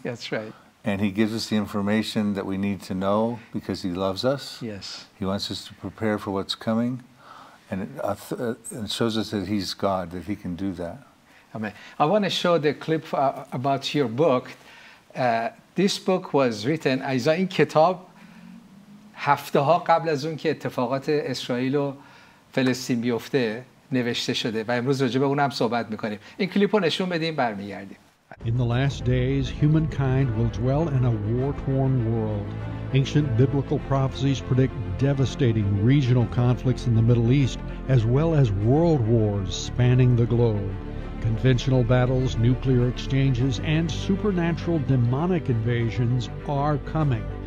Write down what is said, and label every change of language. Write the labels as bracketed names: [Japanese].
[English] That's right. And He gives us the information that we need to know because He loves us. Yes. He wants us to prepare for what's coming. And it shows us that He's God, that He can do that. I want to show the clip about your book. This book was written, [Persian] ایزا این کتاب هفته ها قبل از اون که اتفاقات اسرائیل و فلسطین بیفته نوشته شده و امروز راجع به اونم صحبت میکنیم. این کلیپ رو نشون بدیم برمیگردیم. [English] In the last days, humankind will dwell in a war-torn world. Ancient biblical prophecies predict devastating regional conflicts in the Middle East, as well as world wars spanning the globe. Conventional battles, nuclear exchanges, and supernatural demonic invasions are coming.